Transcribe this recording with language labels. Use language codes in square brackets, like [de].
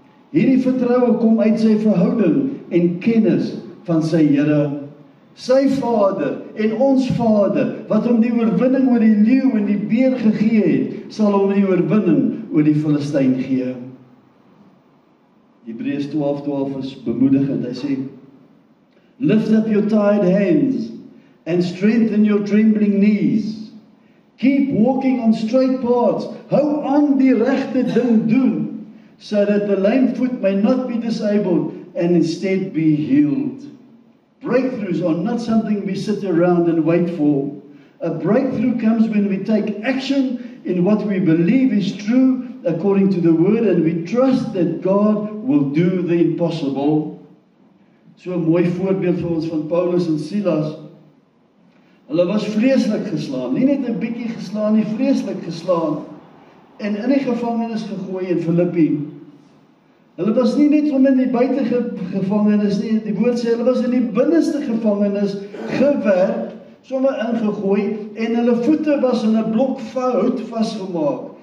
[af] Hierdie vertroue kom uit sy verhouding en kennis van sy Here, sy Vader en ons Vader, wat hom die oorwinning oor die leeu en die beer gegee het, sal hom die oorwinning oor die Filistyn gee. Hebreërs 12:12 is bemoedigend. Hy sê: [en] "Lift up your tired hands and strengthen your trembling knees. Keep walking on straight paths. [af] Hou aan die regte ding doen, [en] so that the lame foot may not be disabled and instead be healed." Breakthroughs are not something we sit around and wait for. A breakthrough comes when we take action in what we believe is true according to the word, and we trust that God will do the impossible. [af] So 'n mooi voorbeeld vir ons van Paulus en Silas. Hulle was vreeslik geslaan, nie net 'n bietjie geslaan nie, vreeslik geslaan, en in die gevangenis gegooi in Filippi. Hulle was nie net om in die buitegevangenis nie, die woord sê hulle was in die binneste gevangenis gewerp, sommer ingegooi, en hulle voete was in 'n blok hout vasgemaak.